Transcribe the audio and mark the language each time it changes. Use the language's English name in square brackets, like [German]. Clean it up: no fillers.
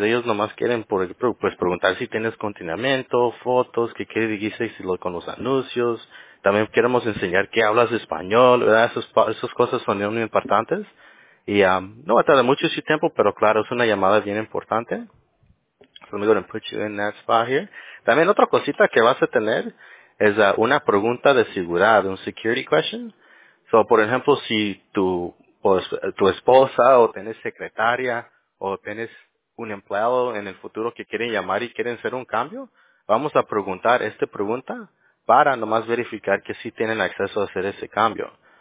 [Spanish] Ellos nomás quieren pues preguntar si tienes contenimiento, fotos, qué quiere decir si lo con los anuncios. También queremos enseñar que hablas español, ¿verdad? Esas cosas son muy importantes. Y no va a tardar mucho su tiempo, pero claro, es una llamada bien importante. [English] So I'm going to put you in that spot here. [Spanish] También otra cosita que vas a tener es una pregunta de seguridad, un [English] security question. [Spanish] So, por ejemplo, si tu esposa o tienes secretaria o tienes un empleado en el futuro que quieren llamar y quieren hacer un cambio, vamos a preguntar esta pregunta para nomás verificar que sí tienen acceso a hacer ese cambio.